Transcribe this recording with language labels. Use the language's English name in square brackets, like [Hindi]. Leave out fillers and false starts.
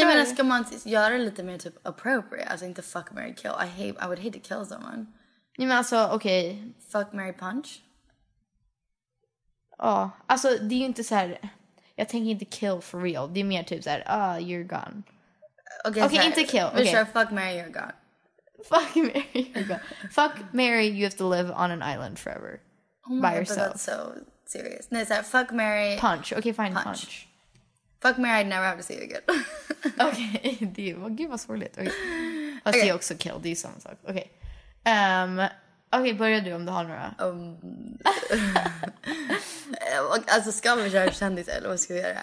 [Swedish] kör. Nej, men ska man göra lite mer typ appropriate? Alltså inte [English] fuck, marry, kill. I would hate to kill someone. [Swedish] Nej, men alltså, okej. [English] Fuck, marry, punch? [Swedish] Ja, alltså det är ju inte så här... Jag tänker inte [English] kill for real. [Swedish] Det är mer typ så här, [English] you're gone. [Swedish] Okej, inte kill. Vi kör [English] fuck, marry, you're gone. Fuck, marry, you're gone. Fuck, marry, you have to live on an island forever. Oh by yourself. God, but that's so serious. [Swedish] Nej, så här, [English] fuck, marry... Punch. Okej, fine, punch. Fuck Mary, I'd never have to see you again. [Swedish] Okej, det är ju... Gud vad svårligt. Okay. Fast det är också kill, det är ju samma sak. Okej, okay, börja du om du har några. Alltså, ska vi köra kändis eller vad ska vi göra?